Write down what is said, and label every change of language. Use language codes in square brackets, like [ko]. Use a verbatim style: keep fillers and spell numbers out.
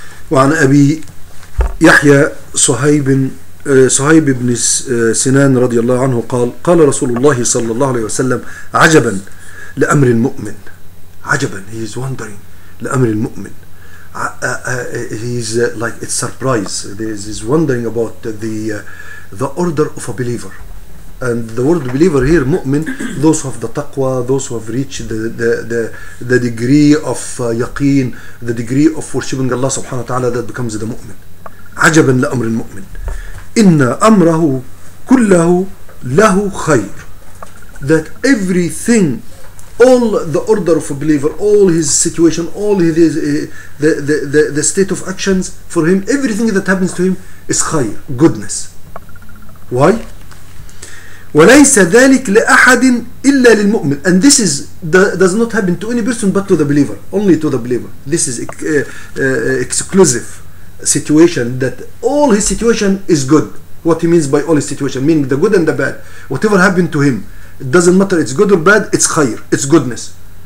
[ar] وعن أبي يحيى صهيب صهيب بن سنان رضي الله عنه قال قال رسول الله صلى الله عليه وسلم عجبا لأمر المؤمن. عجبا, [en] he is wondering, [ar] لأمر المؤمن. [en] Uh, uh, he is uh, like it's surprise. He is wondering about the uh, the order of a believer, and the word believer here, mu'min, those who have the taqwa, those who have reached the the the, the degree of uh, yaqeen, the degree of worshiping Allah subhanahu wa ta'ala, that becomes the mu'min. [ar] عجبا لأمر المؤمن إن أمره كله له خير. [en] That everything, all the order of a believer, all his situation, all his uh, the, the the the state of actions for him, everything that happens to him is خير, goodness. Why? [ar] وليس ذلك لأحد إلا للمؤمن. [en] And this is does not happen to any person but to the believer, only to the believer. This is uh, uh, exclusive situation, that all his situation is good. What he means by all his situation, meaning the good and the bad, whatever happened to him. It doesn't matter it's good or bad, it's khayr, it's goodness.